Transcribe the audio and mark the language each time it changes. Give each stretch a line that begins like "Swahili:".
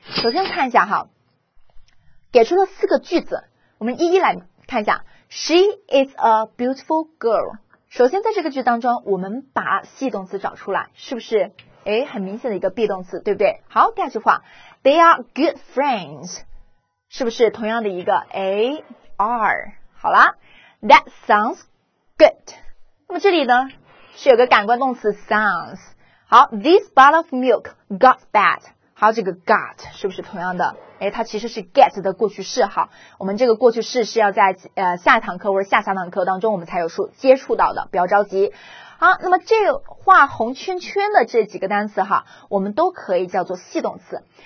Chinese: 首先看一下哈，给出了四个句子，我们一一来看一下。
English: She is a beautiful girl，
Chinese: 首先在这个句当中我们把系动词找出来，是不是，诶，很明显的一个 be 动词，对不对？好，第二句话，
English: They are good friends，
Chinese: 是不是同样的一个 are。好啦，
English: That sounds good，
Chinese: 那么这里呢是有个感官动词 sounds。 好，
English: This bottle of milk got bad，
Chinese: 还有这个 got 是不是同样的，诶，它其实是 get 的过去式哈。我们这个过去式是要在下一堂课或者下下堂课当中我们才有接触到的，不要着急。好，那么这个画红圈圈的这几个单词哈，我们都可以叫做系动词。